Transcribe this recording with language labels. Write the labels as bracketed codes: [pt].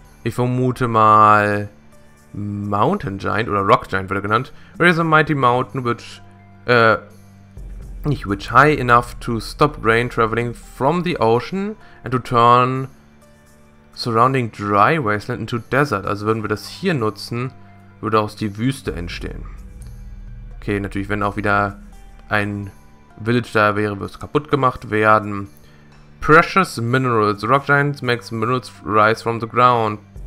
[de] Ich vermute mal Mountain Giant oder Rock Giant wird er genannt. [en] Raise a mighty mountain which, [de] nicht [en] which high enough to stop rain traveling from the ocean and to turn surrounding dry wasteland into desert. [de] Also würden wir das hier nutzen, würde aus die Wüste entstehen. Okay, natürlich, wenn auch wieder ein Village da wäre, würde es kaputt gemacht werden. [en] Precious Minerals. Rock Giants makes minerals rise from the ground.